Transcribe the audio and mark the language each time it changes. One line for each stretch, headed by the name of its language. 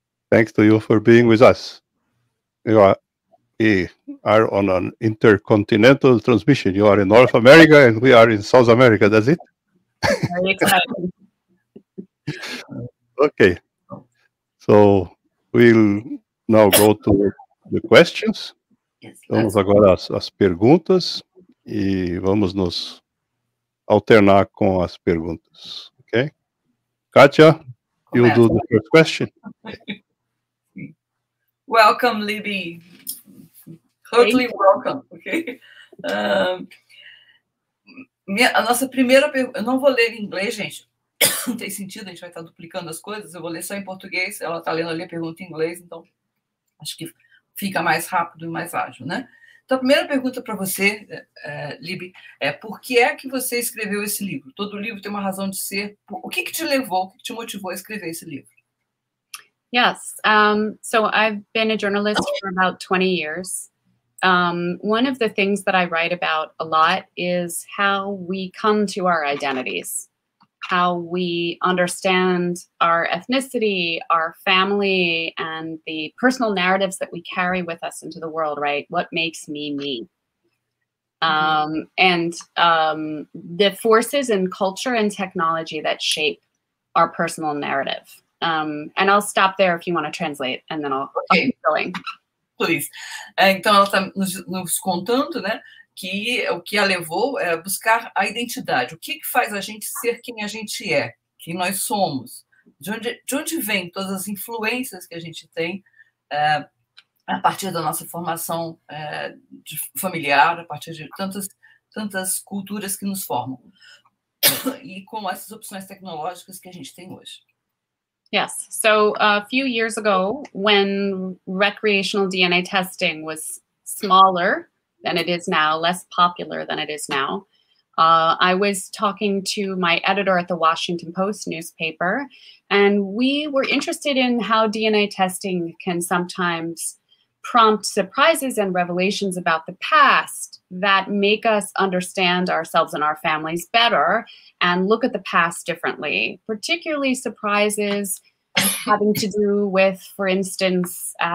English: Thanks to you for being with us. We are on an intercontinental transmission. You are in North America and we are in South America, that's it? Okay, so we'll now go to the questions.
Portuguese: Vamos agora às perguntas e vamos nos alternar com as perguntas, ok?
English: Kátia, you do the first question. Welcome, Libby. Totally welcome, okay?
Portuguese: A nossa primeira pergunta, eu não vou ler em inglês, gente, não tem sentido, a gente vai estar duplicando as coisas, eu vou ler só em português, ela está lendo ali a pergunta em inglês, então acho que fica mais rápido e mais ágil, né? Então, a primeira pergunta para você, Libby, é por que é que você escreveu esse livro? Todo livro tem uma razão de ser, o que te levou, o que te motivou a escrever esse livro?
English: Yes, so I've been a journalist for about 20 years. One of the things that I write about a lot is how we come to our identities. how we understand our ethnicity, our family, and the personal narratives that we carry with us into the world, right? What makes me me? The forces in culture and technology that shape our personal narrative. And I'll stop there if you want to translate, and then I'll keep going. Please.
Portuguese: Então, ela está nos contando, né, que o que a levou é buscar a identidade. O que, que faz a gente ser quem a gente é, quem nós somos? De onde vem todas as influências que a gente tem a partir da nossa formação familiar, a partir de tantas culturas que nos formam? E com essas opções tecnológicas que a gente tem hoje.
English: Yes. So a few years ago, when recreational DNA testing was smaller than it is now, less popular than it is now, I was talking to my editor at the Washington Post newspaper, and we were interested in how DNA testing can sometimes prompt surprises and revelations about the past that make us understand ourselves and our families better and look at the past differently, particularly surprises having to do with, for instance,